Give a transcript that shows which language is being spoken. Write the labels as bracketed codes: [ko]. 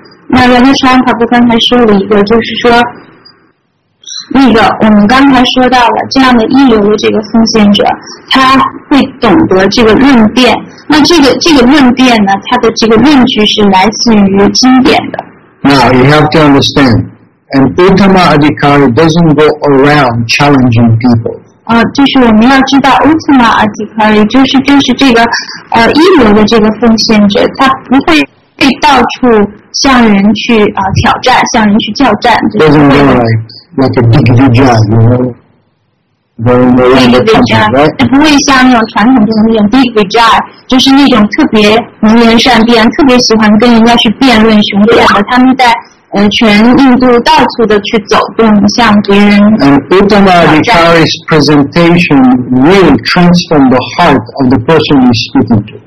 [zh] 那刚才川普刚才说了一个，就是说那个我们刚才说到了这样的一流的这个奉献者，他会懂得这个论辩。那这个论辩呢，他的这个论据是来自于经典的。 [en] Now you have to understand, an Uttama Adhikari doesn't go around challenging people. [zh] 就是我们要知道 Uttama Adhikari 就是这个一流的这个奉献者，他不会被到处向人去挑战，向人去挑战。 [en] Doesn't go like a big vijaya, you know, very big vijaya. [zh] 不会像那种传统中的那种 big vijaya。就是那种特别能言善辩，特别喜欢跟人家去辩论雄辩的，他们在全印度到处的去走动，向别人。 [en] And Uttama Adhikari's presentation really transformed the heart of the person he's speaking to.